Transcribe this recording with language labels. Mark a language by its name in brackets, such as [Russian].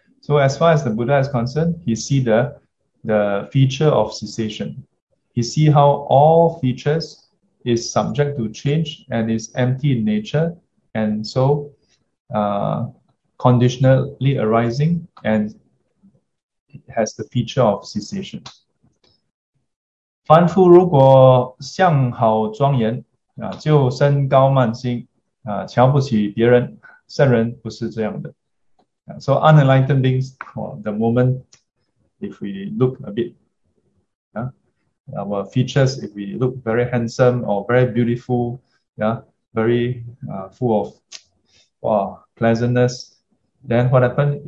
[English] So as far as the Buddha is concerned, he see the feature of cessation. He see how all features is subject to change and is empty in nature, and so conditionally arising and has the feature of cessation. [Chinese] 凡夫如果相好庄严, 就身高慢心, 瞧不起别人, 圣人不是这样的. [English] So unenlightened beings, well, the moment if we look a bit, our features, if we look very handsome or very beautiful, very full of pleasantness, then what happened?